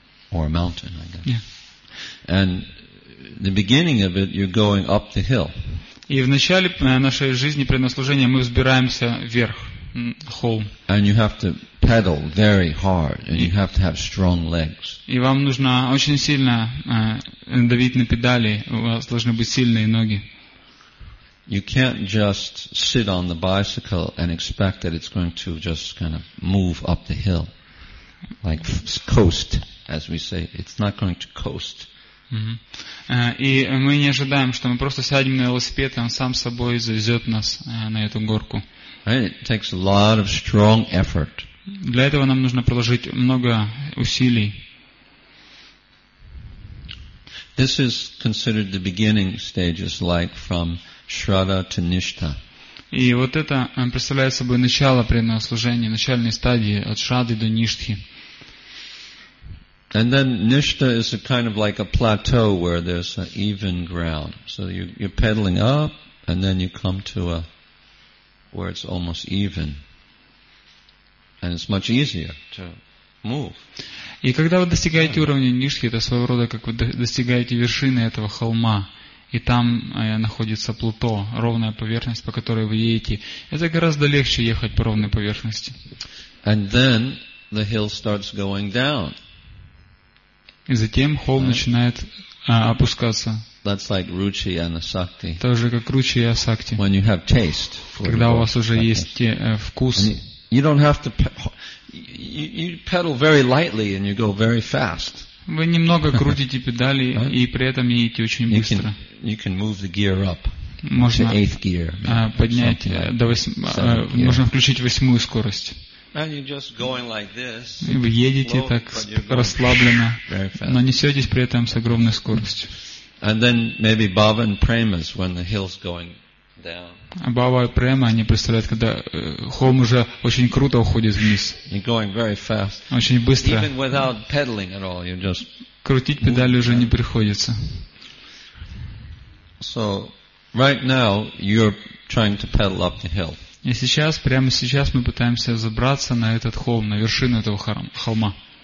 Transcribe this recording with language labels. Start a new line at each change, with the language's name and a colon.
English: Or a mountain, I guess. Yeah. And the beginning of it, you're going up the hill.
Russian: И в начале нашей жизни преданного служения мы взбираемся вверх, холм.
English: And you have to pedal very hard, and you have to have strong legs.
Russian: И вам нужно очень сильно давить на педали, у вас должны быть сильные ноги.
English: You can't just sit on the bicycle and expect that it's going to just kind of move up the hill, like coast as we say, it's not going to coast.
Russian: И мы не ожидаем, что мы просто сядем на велосипед, и он сам собой завезет нас на эту горку.
English: It takes a lot of strong effort.
Russian: Для этого нам нужно приложить много усилий.
English: This is considered the beginning stages, like from Shraddha to Nishtha.
Russian: И вот это представляет собой начало преданного служения, начальные стадии от Шрадды до Ништхи.
English: And then Nishtha is a kind of like a plateau where there's an even ground. So you're pedaling up, and then you come to a where it's almost even, and it's much easier to move.
Russian: И когда вы достигаете уровня Ништхи, это своего рода как вы достигаете вершины этого холма, и там находится плато, ровная поверхность, по которой вы едете. Это гораздо легче ехать по ровной поверхности.
English: And then the hill starts going down.
Russian: И затем холм начинает опускаться.
English: That's like Ruchi Anasakti.
Russian: Тоже как Ruchi Anasakti.
English: When you have taste.
Russian: Когда у вас уже есть вкус.
English: You don't have to. You pedal very lightly and you go very fast.
Russian: Вы немного крутите педали и при этом едете очень быстро.
English: You can move the gear up.
Russian: Можно
English: eighth gear.
Russian: Поднять до восьмой. Можно включить восьмую скорость.
English: And you're just going like this.
Russian: И вы едете
English: float,
Russian: так расслабленно, но несетесь при этом с огромной скоростью.
English: And then maybe bhava and prema is when the hill's going down.
Russian: А бхава и према они представляют, когда холм уже очень круто уходит вниз.
English: You're going very fast.
Russian: Очень быстро.
English: Even without pedaling at all, you're just.
Russian: Крутить педали уже не приходится.
English: So right now you're trying to pedal up the hill.
Russian: И сейчас, прямо сейчас мы пытаемся забраться на этот холм, на вершину этого холма.